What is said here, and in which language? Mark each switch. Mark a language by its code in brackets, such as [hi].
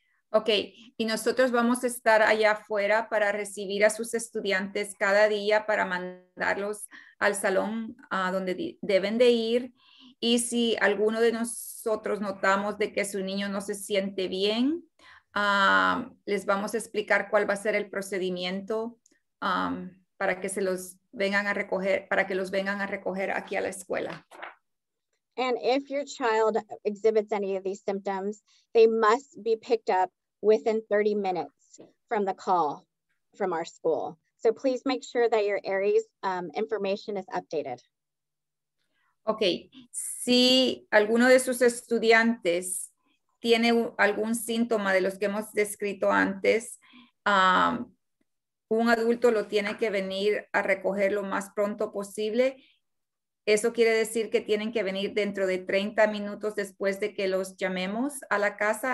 [es] Okay, y nosotros vamos a estar allá afuera para recibir a sus estudiantes cada día para mandarlos al salón donde deben de ir. Y si alguno de nosotros notamos de que su niño no se siente bien, les vamos a explicar cuál va a ser el procedimiento para que se los vengan a recoger, para que los vengan a recoger aquí a la escuela. [en] And if your child exhibits any of these symptoms, they must be picked up within 30 minutes from the call from our school. So please make sure that your ARES information is updated. [es] Okay, si alguno de sus estudiantes tiene algún síntoma de los que hemos descrito antes, un adulto lo tiene que venir a recoger lo más pronto posible. Eso quiere decir que tienen que venir dentro de 30 minutos después de que los llamemos a la casa.